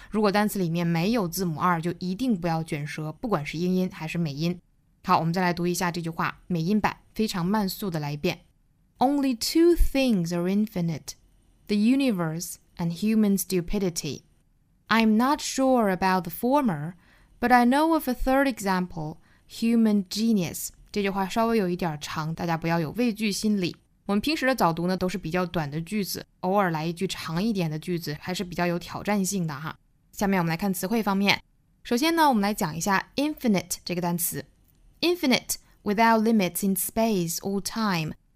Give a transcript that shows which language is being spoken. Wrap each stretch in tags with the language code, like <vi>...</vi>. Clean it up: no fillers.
<zh>如果单词里面没有字母二，就一定不要卷舌，不管是英音还是美音。好，我们再来读一下这句话，美音版，非常慢速的来一遍。</zh> <en>Only two things are infinite, the universe and human stupidity. I'm not sure about the former, but I know of a third example, human genius.</en> <zh>这句话稍微有一点长，大家不要有畏惧心理。我们平时的早读呢都是比较短的句子，偶尔来一句长一点的句子还是比较有挑战性的哈。下面我们来看词汇方面。首先呢，我们来讲一下 infinite 这个单词。</zh> <en>Infinite, without limits in space or time,</en>